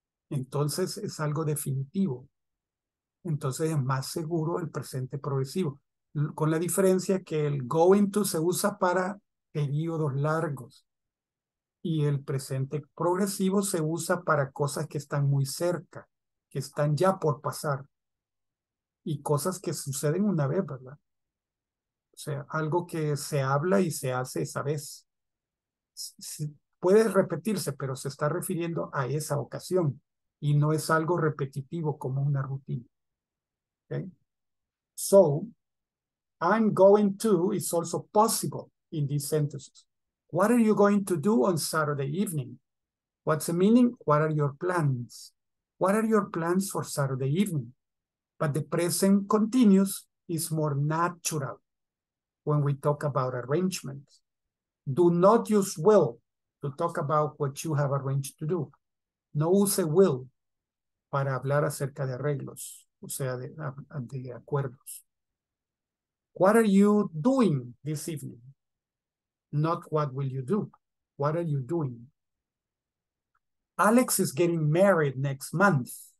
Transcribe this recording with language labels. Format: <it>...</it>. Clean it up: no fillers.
<es>Entonces es algo definitivo. Entonces es más seguro el presente progresivo, con la diferencia que el going to se usa para periodos largos y el presente progresivo se usa para cosas que están muy cerca, que están ya por pasar y cosas que suceden una vez, ¿verdad? O sea, algo que se habla y se hace esa vez. Puede repetirse, pero se está refiriendo a esa ocasión y no es algo repetitivo como una rutina.</es> <en>Okay. So, I'm going to is also possible in these sentences. What are you going to do on Saturday evening? What's the meaning? What are your plans? What are your plans for Saturday evening? But the present continuous is more natural when we talk about arrangements. Do not use will to talk about what you have arranged to do.</en> <es>No use will para hablar acerca de arreglos. O sea, de acuerdos.</es> <en>What are you doing this evening? Not what will you do. What are you doing? Alex is getting married next month.</en>